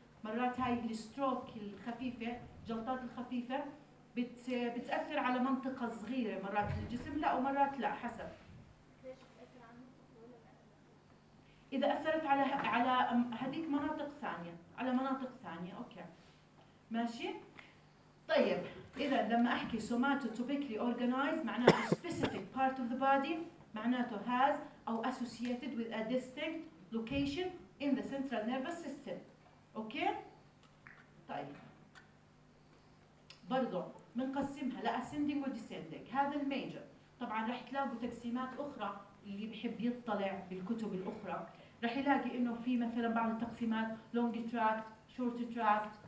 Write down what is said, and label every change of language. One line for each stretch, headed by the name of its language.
Arabic: مرات هاي الستروك الخفيفة جلطات الخفيفة بتأثر على منطقة صغيرة مرات في الجسم لا ومرات لا حسب. إذا أثرت على هذيك مناطق ثانية على مناطق ثانية. أوكي ماشي. طيب إذا لما أحكي
English: somatotopically organized معناته specific part of the body معناته has أو associated with a distinct location in the central nervous system.
Arabic: أوكي؟ طيب برضو منقسمها لأسندينج وديسندينج. هذا الميجر. طبعا رح تلاقوا تقسيمات أخرى اللي بحب يطلع بالكتب الأخرى رح يلاقي إنه في مثلا بعض التقسيمات
English: long tract short tract.